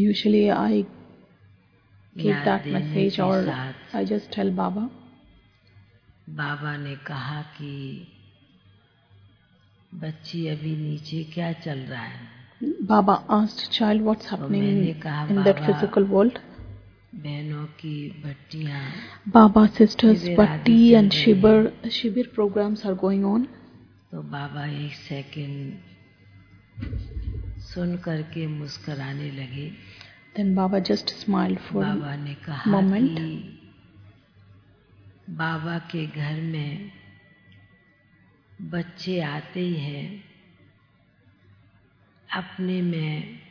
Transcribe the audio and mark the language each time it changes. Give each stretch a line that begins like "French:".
English: Usually I keep that message or I just tell Baba.
Hindi: बाबा ने कहा कि बच्ची अभी नीचे क्या चल रहा है।
English: Baba asked child what's happening in that physical world.
Hindi: बहनों की भट्टियाँ,
English: Baba sisters bhatti and shibir programs are going on.
Hindi: तो बाबा एक सेकेंड सुन करके मुस्कराने लगे।
English: Then Baba just smiled for a moment.
Hindi: बाबा ने कहा कि बाबा के घर में बच्चे आते ही हैं अपने में।